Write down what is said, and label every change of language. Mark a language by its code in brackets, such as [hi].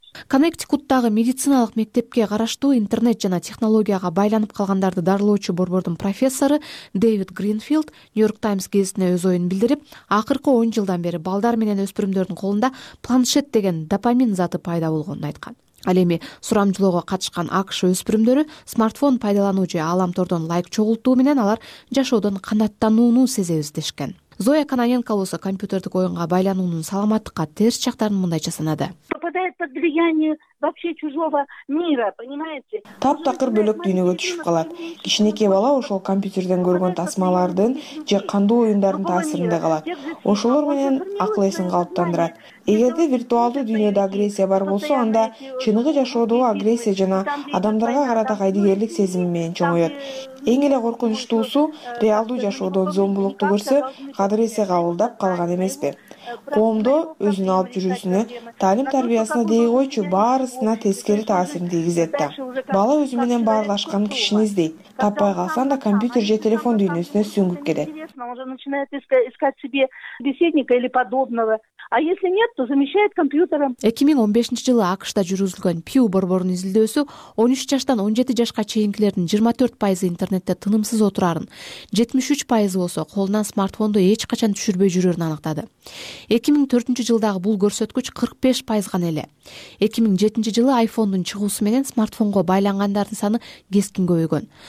[ky] Коннектикуттагы медициналык мектепке караштуу интернет жана технологияга байланып калгандарды дарылоочу борбордун профессору Дэвид Гринфилд New York Times гезитине өз оюн билдирип, акыркы 10 жылдан бери балдар менен өспүрүмдөрдүн колунда планшет деген допамин заты пайда болгонун айткан. Ал эми сурамжылоого катышкан АКШ өспүрүмдөрү смартфон пайдалануу же ааламтордон лайк чогултуу менен алар жашоодон канааттанууну сезебиз дешкен. Зоя Кананенко болсо компьютердик оюнга байлануунун саламаттыкка терс жактарын мындайча санады. [ru] Попадает под влияние вообще чужого мира, понимаете? [ky] Таптакыр бөлөк дүйнөгө түшүп калат. Кичинекей бала ошол компьютерден көргөн тасмалардын же кандуу оюндардын таасиринде калат. Ошолор менен акыл эсин калыптандырат. Эгерде виртуалдуу дүйнөдө агрессия бар болсо, анда чыныгы жашоодогу агрессия жана адамдарга карата кайдыгерлик сезими менен чоңоет. Эң эле коркунучтуусу реалдуу жашоодон зомбулукту көрсө, кадыресе кабылдап калган эмеспи? Коомдо өзүн алып жүрүүсүнө, таалим тарбиясына дей койчу, баарысына тескери таасирин тийгизет да. Бала өзү менен баарлашкан кишини издейт. Таппай калсаң да компьютер же телефон дүйнөсүнө сүңгүп кетет. [ru] Уже начинает искать себе беседника или подобного. А если нет, то замещает компьютером. [ky] 2015 жылы АКШта жүргүзүлгөн Pew борборунун изилдөөсү 13 жаштан 17 жашка чейинкилердин 24% интернетте тынымсыз отурарын, 73% болсо колунан смартфонду эч качан түшүрбөй жүрөрүн аныктады. 2004 жылдагы бул көрсөткүч 45% гана эле. 2007 жылы айфондун чыгуусу менен смартфонго байлангандардын саны кескин көбөйгөн.